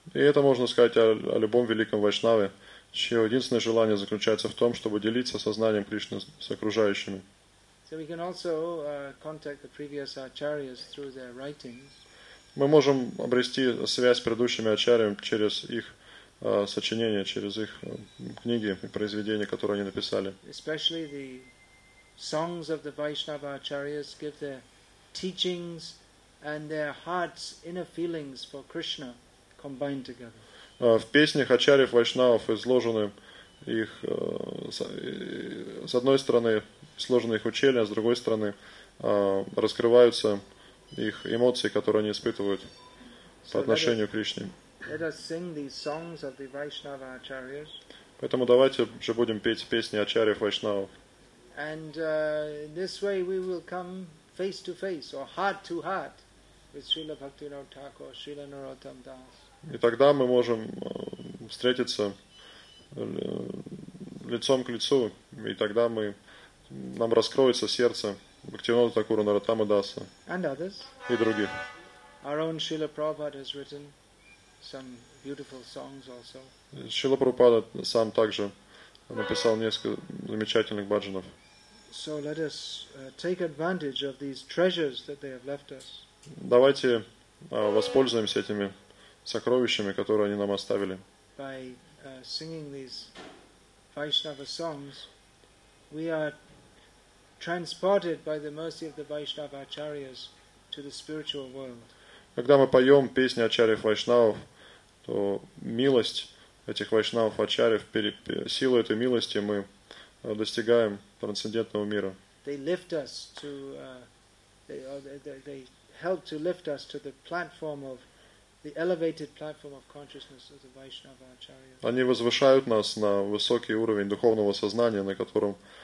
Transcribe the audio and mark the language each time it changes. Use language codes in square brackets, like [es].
[ru] И это можно сказать о любом великом вайшнаве, чье единственное желание заключается в том, чтобы делиться сознанием Кришны с окружающими. [en] So we can also contact the previous acharyas through their writings. [ru] Мы можем обрести связь с предыдущими ачарьями через их сочинения, через их книги и произведения, которые они написали. [en] Especially the songs of the Vaishnava acharyas give their teachings and their hearts' inner feelings for Krishna combined together. [ru] В песнях ачарьев вайшнавов изложены их с одной стороны сложены их учения, с другой стороны раскрываются их эмоции, которые они испытывают по отношению к Кришне. [en] Let us sing these songs of the Vaishnava acharyas. [ru] Поэтому давайте же будем петь песни ачарьев вайшнавов. [en] And in this way we will come face to face or heart to heart with Srila Bhaktivinoda Thakur, Srila Narottam Das. [ru] И тогда мы можем встретиться лицом к лицу, и тогда мы нам раскроется сердце Бхактивинода Такура Наратама Даса [en] and others. [ru] И других. [en] Our own Srila Prabhupada has written some beautiful songs also. [ru] Srila Prabhupada сам также написал несколько замечательных бхаджанов. [en] So let us take advantage of these treasures that they have left us. [ru] Давайте воспользуемся этими сокровищами, которые они нам оставили. [en] By singing these Vaishnava songs, we are transported by the mercy of the Vaishnava acharyas to the spiritual world. [ru] Когда мы поем песни ачарьев вайшнавов, то милость этих вайшнавов ачарьев, силу этой милости мы достигаем трансцендентного мира. [en] They lift us to they help to lift us to the platform of the elevated platform of consciousness of the Vaishnava acharyas. [ru] Они возвышают нас на высокий уровень духовного сознания, на котором